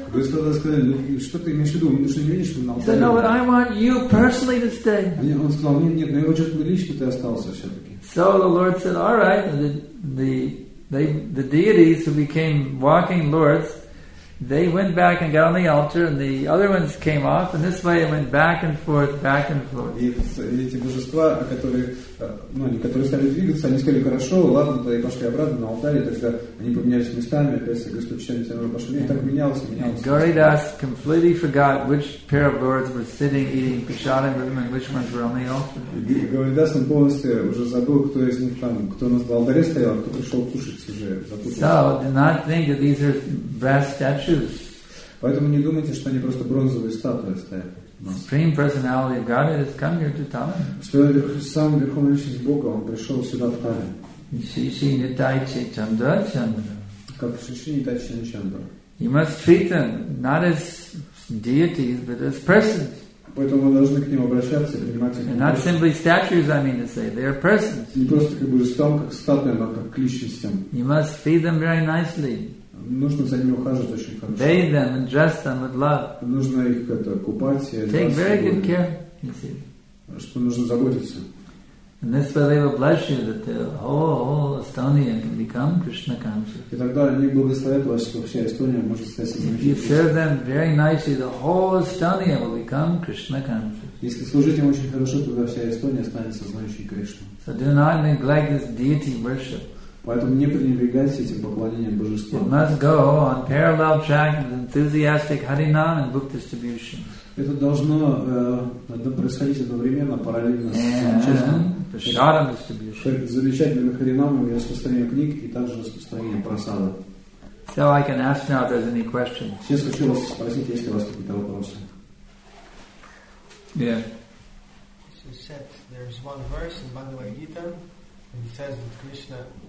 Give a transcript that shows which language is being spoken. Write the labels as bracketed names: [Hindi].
[Russian] Господь сказал, что ты имеешь в виду? Мы что не видишь, мы на алтаре? [English] He said, "No, but I want you personally to stay." [Russian] Он сказал, нет, но я хочу, чтобы лично ты остался все-таки. [English] So the Lord said, "All right." The deities who became walking lords, they went back and got on the altar, and the other ones came off, and this way it went back and forth, back and forth. [Russian] И эти божества, которые, ну, они, которые стали двигаться, они сказали, хорошо, ладно, тогда и пошли обратно на алтарь, и тогда они поменялись местами, опять же, Господь Чайтанья Сенанда пошли, и так менялось. [English] Gauridas completely forgot which pair of lords were sitting eating prasadam with him and which ones were on the altar. [Russian] Gauridas полностью уже забыл, кто из них там, кто у нас на алтаре стоял, кто пришел кушать уже, запутался. [English] So, do not think that these are brass statues. [Russian] Поэтому не думайте, что они просто бронзовые статуи стоят. [English] Supreme Personality of Godhead has come here to Tallinn. [Russian] Что сам Верховный Личность Бога, он пришел сюда в Таллин. Шиши Нитай Чайтандра Чандра. Как Шиши Нитай Чайтандра. [English] You must treat them not as deities, but as persons. [Russian] Поэтому мы должны к ним обращаться и принимать их. [English] And not simply statues, I mean to say, they are persons. [Russian] Не просто как божествам, как статуям, а как к личностям. [English] You must feed them very nicely. [Russian] Нужно за ними ухаживать очень хорошо. [English] Bathe them and dress them with love. [Russian] Нужно их это купать и одеваться. [English] Take very good care, you see. [Russian] Что нужно заботиться. [English] And this way they will bless you that the whole Estonia can become Krishna conscious. [Russian] И тогда они благословят вас, что вся Эстония может стать Кришна. [English] If you serve them very nicely, the whole Estonia will become Krishna conscious. [Russian] Если служить им очень хорошо, тогда вся Эстония станет знающей Кришну. [English] So do not neglect this deity worship. [Russian] Поэтому не пренебрегайте этим поклонением божества. [English] It must go on parallel track with enthusiastic Harinam and book distribution. [Russian] Это должно происходить одновременно, параллельно с [English] Prasadam distribution. [Russian] Замечательными Харинамами распространение книг и также распространение просады. [English] So I can ask now if there's any questions. [Russian] Сейчас хочу вас спросить, есть ли у вас какие-то вопросы? [English] Yeah. So said there's one verse in Bhagavad Gita, and it says that Krishna.